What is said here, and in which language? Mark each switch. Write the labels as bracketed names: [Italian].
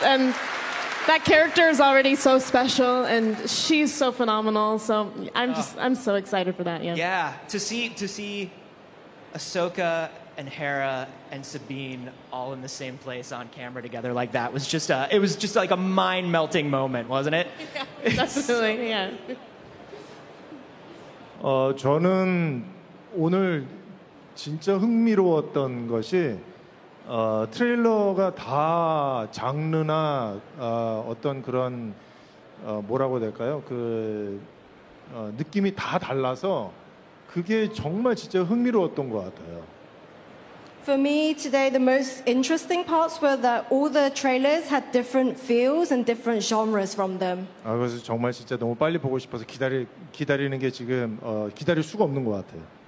[English] And that character is already so special, and she's so phenomenal. So I'm so excited for that, yeah. Yeah, to see Ahsoka and Hera and Sabine all in the same place on camera together like that was just a mind-melting moment, wasn't it? Yeah, definitely, yeah. [Korean] 저는 오늘 진짜 흥미로웠던 것이 트레일러가 다 장르나 어떤 그런 뭐라고 해야 될까요? 그 느낌이 다 달라서 그게 정말 진짜 흥미로웠던 것 같아요. [English] For me today, the most interesting parts were that all the trailers had different feels and different genres from them. [Korean] 그래서 정말 진짜 너무 빨리 보고 싶어서 기다리는 게 지금 기다릴 수가 없는 것 같아요.